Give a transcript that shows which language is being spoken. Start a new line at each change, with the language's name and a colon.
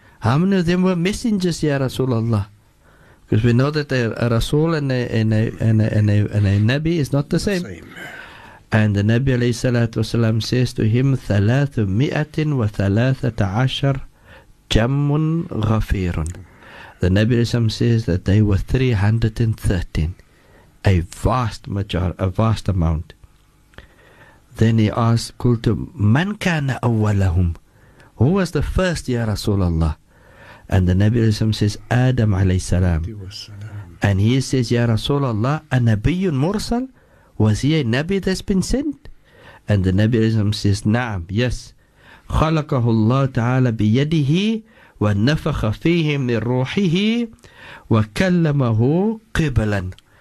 English: How many of them were messengers, Ya Rasulullah? Because we know that a Rasul and a Nabi is not the same. And the Nabi alayhi salatu wasalam says to him,
Arabic: ثَلَاثُ مِئَةٍ وَثَلَاثَةَ عَشَرْ جَمٌ غَفِيرٌ.
English: The Nabi alayhi salam says that they were 313. A vast amount. Then he asked,
Arabic: قُلْتُ مَنْ كَانَ أَوَّلَهُمْ.
English: Who was the first, Ya Rasulullah? And the Nabi alayhi salam says, Adam alayhi salam. And he says, Ya Rasulullah,
Arabic: أَنَبِيٌ مُرْسَلْ.
English: Was he a Nabi that's been sent? And the Nabi says, Naam, yes.
Arabic: خَلَقَهُ اللَّهُ تَعَالَى بِيَدِهِ وَنَفَخَ فِيهِ مِنْ رُوحِهِ وَكَلَّمَهُ قِبَلًا.